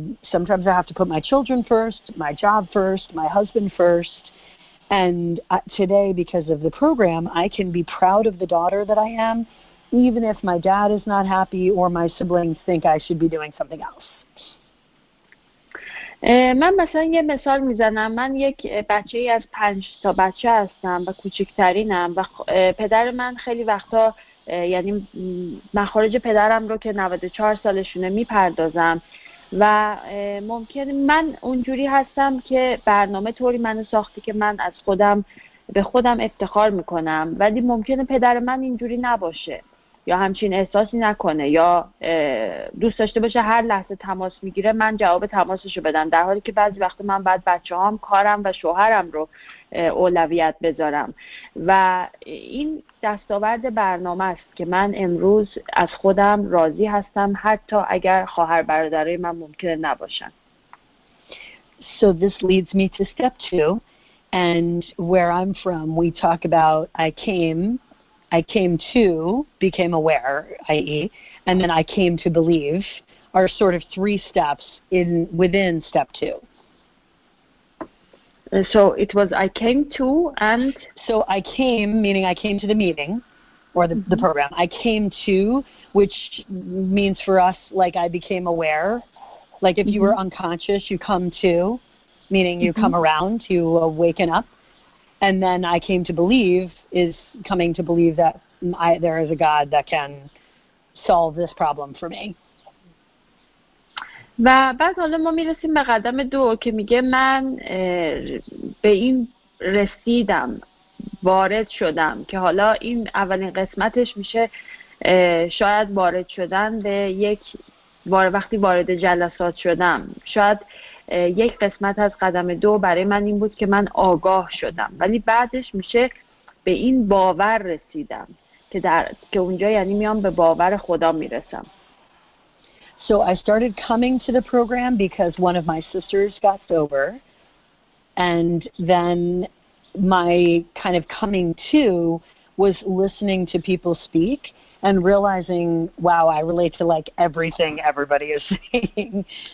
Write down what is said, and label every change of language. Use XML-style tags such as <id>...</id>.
<en>Sometimes I have to put my children first, my job first, my husband first. And today, because of the program, I can be proud of the daughter that I am, even if my dad is not happy or my siblings think I should be doing something else.</en> <fa>من مثلا یه مثال میزنم. من یک بچه ای از 5 بچه هستم و کوچکترینم و پدر من خیلی وقتا، یعنی مخارج پدرم رو که 94 سالشونه میپردازم و ممکن من اونجوری هستم که برنامه طوری منو ساخته که من از خودم به خودم افتخار میکنم، ولی ممکنه پدر من اینجوری نباشه یا همچین احساسی نکنه یا دوست داشته باشه هر لحظه تماس میگیره من جواب تماسشو بدم، در حالی که بعضی وقت من بعد بچه هام، کارم و شوهرم رو اولویت بذارم. و این دستاورد برنامه است که من امروز از خودم راضی هستم حتی اگر خواهر برادرای من ممکنه نباشن.</fa> <en>So this leads me to step 2, and where I'm from we talk about I came to, became aware, i.e., and then I came to believe, are sort of 3 steps in within step 2. So it was I came to and? So I came, meaning I came to the meeting or the program. I came to, which means for us, like I became aware. Like if you were unconscious, you come to, meaning you come around, you awaken up. And then I came to believe is coming to believe that there is a God that can solve this problem for me.</en> <fa>و بعد حالا ما میرسیم به قدم 2 که میگه من به این رسیدم، وارد شدم، که حالا این اولین قسمتش میشه شاید وارد شدن به یک بار، وقتی وارد جلسات شدم شاید یک قسمت از قدم 2 برای من این بود که من آگاه شدم، ولی بعدش میشه به این باور رسیدم که در که اونجا یعنی میام به باور خدا میرسم.</fa> <en>So I started coming to the program because one of my sisters got sober, and then my kind of coming to was listening to people speak and realizing, wow, I relate to like everything everybody is saying.</en>